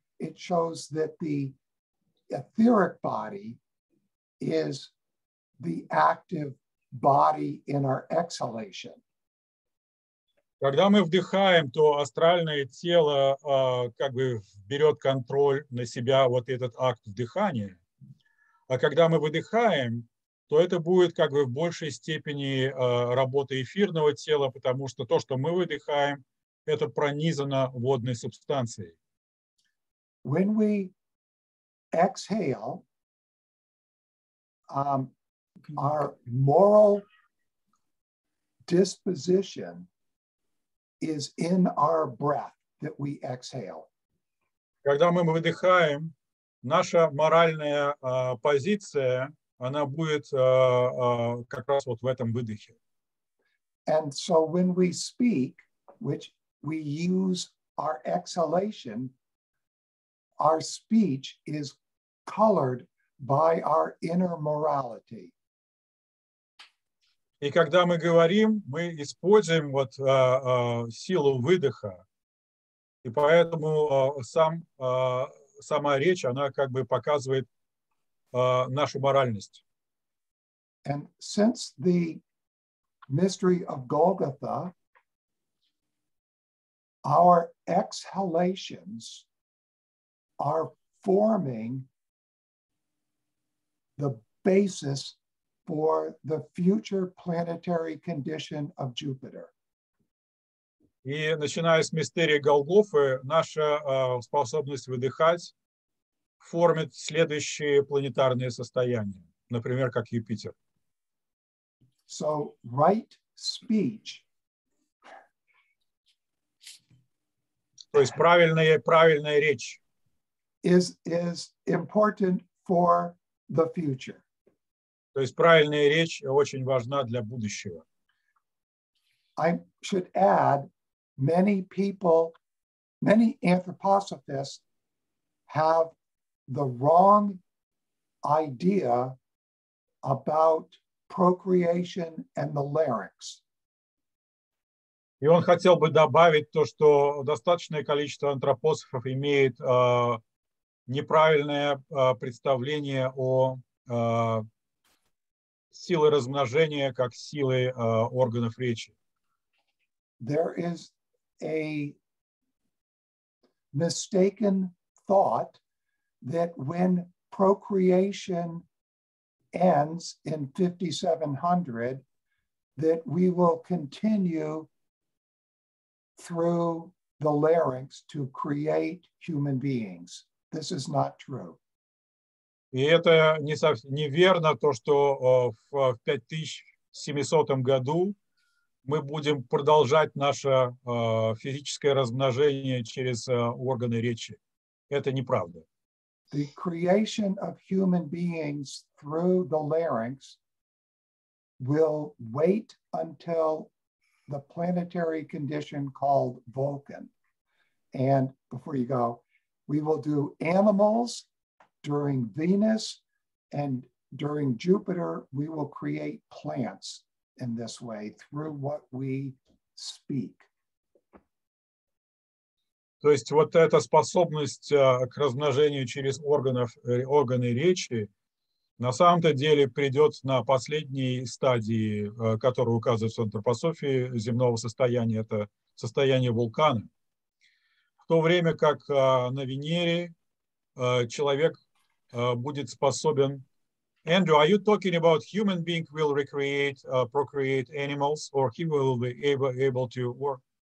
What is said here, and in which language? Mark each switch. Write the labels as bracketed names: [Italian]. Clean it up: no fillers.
[English] It shows that the etheric body is the active body in our exhalation. [Russian] Когда мы вдыхаем, то астральное тело как бы берет контроль на себя вот этот акт вдыхания. А когда мы выдыхаем, то это будет как бы в большей степени работа эфирного тела, потому что то, что мы выдыхаем, это пронизано водной субстанцией. [English] When we exhale, our moral disposition is in our breath that we exhale. [Russian] Когда мы выдыхаем, наша моральная позиция, она будет как раз вот в этом выдохе. [English] And so when we speak, which we use our exhalation, our speech is colored by our inner morality. [Russian] И когда мы говорим, мы используем вот силу выдоха, и поэтому сама речь, она как бы показывает нашу моральность. [English] And since the mystery of Golgotha, our exhalations are forming the basis for the future planetary condition of Jupiter. [Russian] И начиная с мистерии Голгофы, наша способность выдыхать формит следующие планетарные состояния, например, как Юпитер. [English] So, right speech. [Russian] То есть правильная речь [English] is important for the future. [Russian] То есть правильная речь очень важна для будущего. [English] I should add, many anthroposophists have the wrong idea about procreation and the larynx. [Russian] И он хотел бы добавить то, что достаточное количество антропософов имеет неправильное представление о силе размножения как силы органов речи. [English] There is a mistaken thought that when procreation ends in 5700, that we will continue through the larynx to create human beings. This is not true. [Russian] И это не совсем неверно, то, что в 5700 году мы будем продолжать наше физическое размножение через органы речи. Это неправда. [English] The creation of human beings through the larynx will wait until the planetary condition called Vulcan. And before you go, we will do animals during Venus, and during Jupiter, we will create plants in this way through what we speak. [Russian] То есть вот эта способность к размножению через органы речи на самом-то деле придет на последней стадии, которую указывается в антропософии земного состояния, это состояние вулкана. В то время как на Венере человек будет способен... [English] Andrew, are you talking about human being will recreate, procreate animals, or he will be able to work?